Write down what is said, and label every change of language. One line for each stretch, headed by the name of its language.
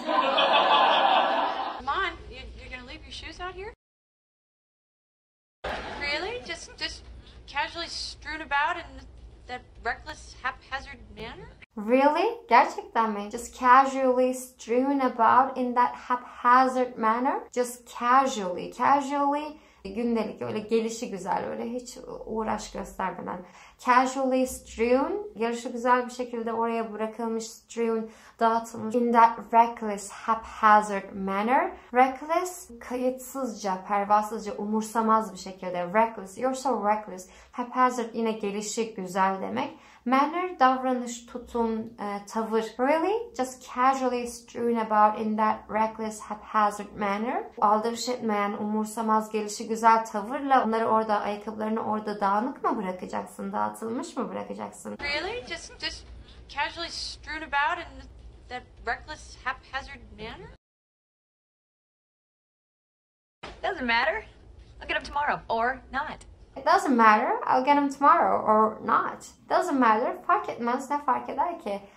English: Man, you're gonna leave your shoes out here? Really? Just casually strewn about in that reckless, haphazard manner? Really?
Turkish: Gerçekten mi?
English: Just casually strewn about in that haphazard manner? Just casually, casually...
Turkish: Gündelik, öyle gelişi güzel, öyle hiç uğraş göstermeden.
English: Casually strewn,
Turkish: gelişi güzel bir şekilde oraya bırakılmış, strewn, dağıtılmış.
English: In that reckless, haphazard manner. Reckless,
Turkish: kayıtsızca, pervasızca, umursamaz bir şekilde.
English: Reckless, you're so reckless. Haphazard,
Turkish: yine gelişi güzel demek. Manner, davranış, tutum, tavır.
English: Really? Just casually strewn about in that reckless, haphazard manner.
Turkish: Aldırış etmeyen, umursamaz, gelişi güzel tavırla onları orada, ayakkabılarını orada dağınık mı bırakacaksın, dağıtılmış mı bırakacaksın?
English: Really? Just casually strewn about in that reckless, haphazard manner? Doesn't matter. I'll get up tomorrow, or not. It doesn't matter. I'll get him tomorrow or not. Doesn't matter.
Turkish: Fark etmez. Ne fark eder ki?